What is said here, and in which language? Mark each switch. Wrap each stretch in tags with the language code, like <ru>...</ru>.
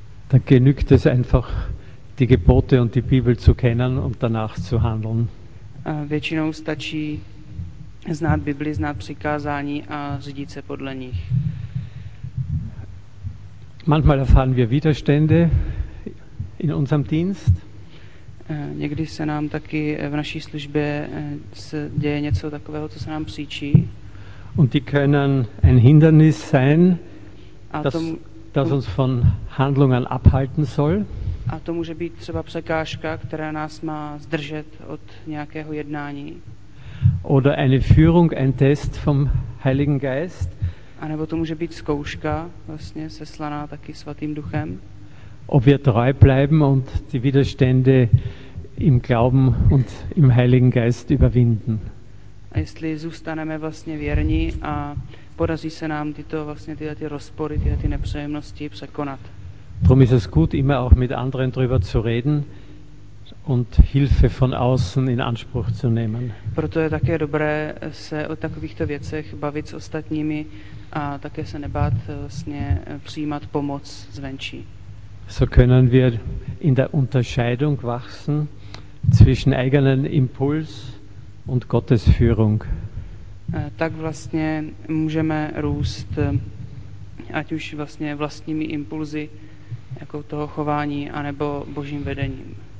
<de>Dann genügt es einfach, die Gebote und die Bibel zu kennen und danach zu handeln.</de> <cs>A většinou stačí znát Bibli, znát přikázání a řídit se podle nich.</cs> <de>Manchmal erfahren wir Widerstände in unserem Dienst.</de> <cs>Někdy se nám taky v naší službě děje něco takového, co se nám příčí.</cs> <de>Und die können ein Hindernis sein, das uns von Handlungen abhalten soll.</de> <cs>A to může být třeba překážka, která nás má zdržet od nějakého jednání.</cs> <de>Oder eine Führung, ein Test vom Heiligen Geist.</de> <cs>A nebo to může být zkouška, vlastně seslaná taky svatým duchem.</cs> <de>Ob wir treu bleiben und die Widerstände im Glauben und im Heiligen Geist überwinden.</de> <cs>A jestli zůstaneme vlastně věrní a podaří se nám tyto vlastně tyhle ty rozpory, tyhle ty nepříjemnosti překonat.</cs> <de>Drum ist es gut, immer auch mit anderen drüber zu reden und Hilfe von außen in Anspruch zu nehmen.</de> <cs>Proto je také dobré se o takovýchto věcech bavit s ostatními a také se nebát vlastně přijímat pomoc zvenčí.</cs> <de>So können wir in der Unterscheidung wachsen zwischen eigenen Impuls und Gottes Führung.</de> <cs>Tak vlastně můžeme růst, ať už vlastně vlastními impulzy jako toho chování anebo Božím vedením.</cs>